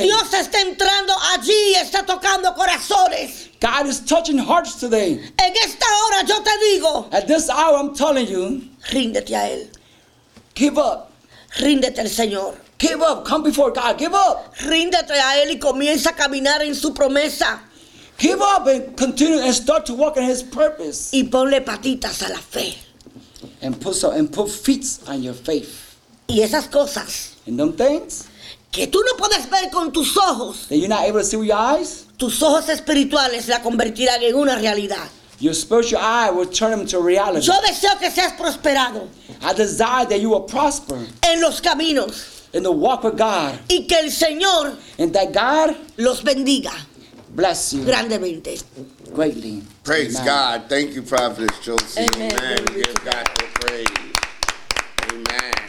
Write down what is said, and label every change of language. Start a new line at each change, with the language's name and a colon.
Spanish: Dios está entrando allí y está tocando corazones.
English: God is touching hearts today.
Spanish: En esta hora yo te digo.
English: At this hour I'm telling you.
Spanish: Ríndete a él.
English: Give up.
Spanish: Ríndete al Señor.
English: Give up. Come before God. Give up.
Spanish: Ríndete a él y comienza a caminar en su promesa.
English: Give up and continue and start to walk in his purpose.
Spanish: Y ponle patitas a la fe.
English: And put feet on your faith.
Spanish: Y esas cosas.
English: And them things.
Spanish: Que tú no puedes ver con tus ojos.
English: That you're not able to see with your eyes.
Spanish: Tus ojos espirituales la convertirán en una realidad.
English: Your spiritual eye will turn them to reality.
Spanish: Yo deseo que seas prosperado.
English: I desire that you will prosper.
Spanish: En los caminos.
English: In the walk with God.
Spanish: Y que el Señor.
English: And that God.
Spanish: Los bendiga.
English: Bless you.
Spanish: Grandemente.
English: Greatly. Praise amen. God. Thank you, Prophetess Josie. Amen. Give God the praise. Amen.